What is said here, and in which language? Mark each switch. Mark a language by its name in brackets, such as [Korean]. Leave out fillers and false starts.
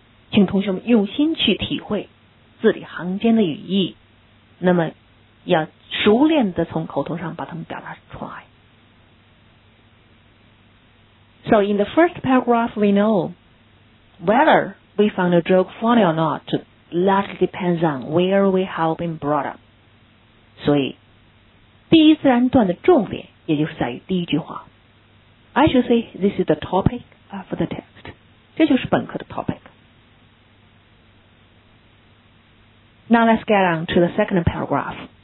[Chinese] 请同学们用心去体会字里行间的语义，那么要熟练地从口头上把它们表达出来。 [English] So in the first paragraph we know, whether we found a joke funny or not largely depends on where we have been brought up. [Chinese] 所以第一自然段的重点也就是在于第一句话。 [English] I should say this is the topic of the text. [Chinese] 这就是本课的 topic. [English] Now let's get on to the second paragraph.